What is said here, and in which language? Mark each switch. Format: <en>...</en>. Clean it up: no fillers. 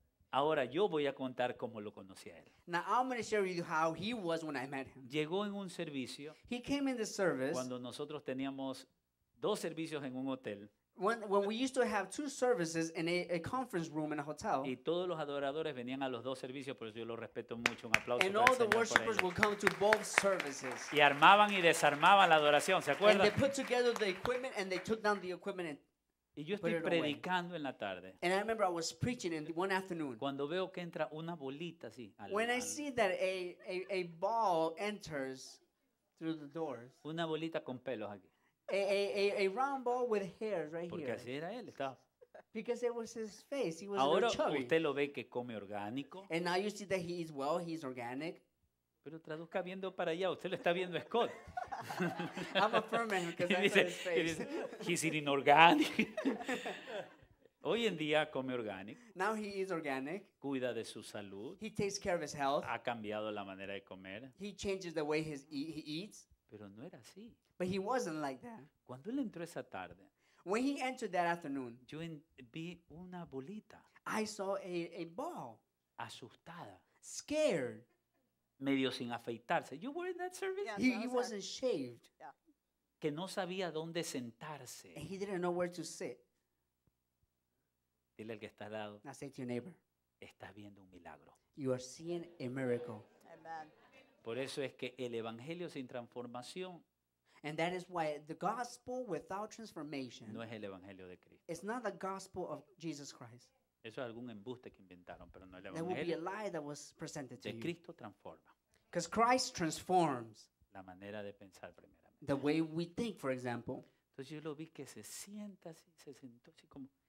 <es>Ahora yo voy a contar cómo lo conocí a él.</es> <en>Now I'm going to share with you how he was when I met him.</en> <es>Llegó en un servicio.</es> <en>He came in the service.</en> <es>Cuando nosotros teníamos dos servicios en un hotel.</es> <en>When we used to have two services in a conference room in a hotel.</en> <es>Y todos los adoradores venían a los dos servicios, por eso yo los respeto mucho. Un aplauso.</es> <en>And all the worshippers would come to both services.</en> <es>Y armaban y desarmaban la adoración, ¿se acuerdan?</es> <en>And they put together the equipment and they took down the equipment and</en> <es>y yo estoy predicando en la tarde.</es> <en>And I remember I was preaching in one afternoon.</en> <es>Cuando veo que entra una bolita así.</es> <en>When I see that a ball enters through the doors.</en> <es>Una bolita con pelos aquí.</es> <en>A round ball with hairs right</en> <es>porque</es> <en>here.</en> <es>Porque así era él, estaba.</es> <en>Because it was his face. He was</en> <es>ahora</es> <en>a little chubby.</en> <es>Usted lo ve que come orgánico.</es> <en>And now you see that he is well, he's organic.</en> <es>Pero traduzca viendo para allá, usted lo está viendo a Scott.</es> <en>I'm affirming because I saw his face.</en> <es>Dice,</es> <en>he's eating organic.</en> <es>Hoy en día come organic.</es> <en>Now he is organic.</en> <es>Cuida de su salud.</es> <en>He takes care of his health.</en> <es>Ha cambiado la manera de comer.</es> <en>He changes the way he eats.</en> <es>Pero no era así.</es> <en>But he wasn't like that.</en> <es>Cuando él entró esa tarde.</es> <en>When he entered that afternoon.</en> <es>Yo vi una bolita.</es> <en>I saw a ball.</en> <es>Asustada.</es> <en>Scared.</en> <es>Medio sin afeitarse.</es> <en>You were in that service? Yeah, he wasn't shaved. Yeah.</en> <es>Que no sabía dónde sentarse.</es> <en>And he didn't know where to sit.</en> <es>Dile al que está al lado.</es> <en>Now say to your neighbor.</en> <es>Estás viendo un milagro.</es> <en>You are seeing a miracle. Amen.</en> <es>Por eso es que el evangelio sin transformación.</es> <en>And that is why the gospel without transformation.</en> <es>No es el evangelio de Cristo.</es> <en>It's not the gospel of Jesus Christ.</en> <es>Eso es algún embuste que inventaron, pero no el evangelio. De Cristo transforma.</es> <en>Because Christ transforms.</en> <es>La manera de pensar primeramente.</es> <en>The way we think, for example.</en> <es>Entonces yo lo vi que se sienta así, se sentó así como.</es>